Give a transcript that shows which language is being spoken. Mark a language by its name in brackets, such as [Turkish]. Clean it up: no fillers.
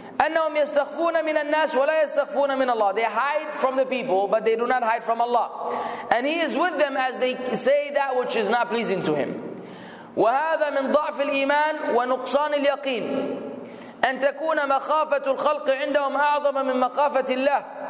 [Arabic] أنهم يستخفون من الناس ولا يستخفون من الله. [English] They hide from the people, but they do not hide from Allah. And He is with them as they say that which is not pleasing to Him. [Arabic] وهذا من ضعف الإيمان ونقصان اليقين. أن تكون مخافة الخلق عندهم أعظم من مخافة الله.